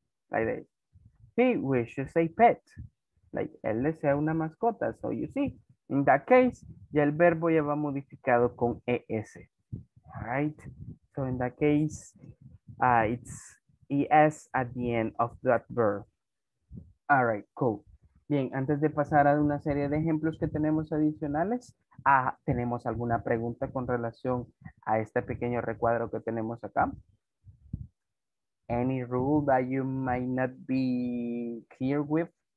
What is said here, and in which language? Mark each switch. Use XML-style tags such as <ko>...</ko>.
<en>Like this. He wishes a pet. Like,</en> <es>él desea una mascota.</es> <en>So you see, in that case,</en> <es>ya el verbo ya va modificado con ES.</es> <en>All right. So in that case, it's ES at the end of that verb. All right, cool.</en> <es>Bien, antes de pasar a una serie de ejemplos que tenemos adicionales, ¿tenemos alguna pregunta con relación a este pequeño recuadro que tenemos acá?</es> <en>Any rule that you might not be clear with?</en>